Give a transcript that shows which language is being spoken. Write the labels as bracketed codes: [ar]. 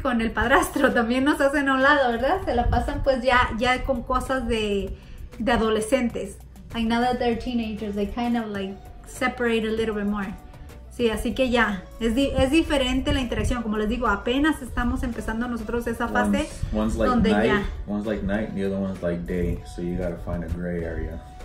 [es] Con el padrastro, también nos hacen a un lado, ¿verdad? Se la pasan pues ya con cosas de adolescentes. [en] I know that they're teenagers, they kind of like separate a little bit more. [es] Sí, así que ya, es diferente la interacción. Como les digo, apenas estamos empezando nosotros esa fase. [en] One's like donde night, ya. One's like night and the other one's like day, so you gotta find a gray area.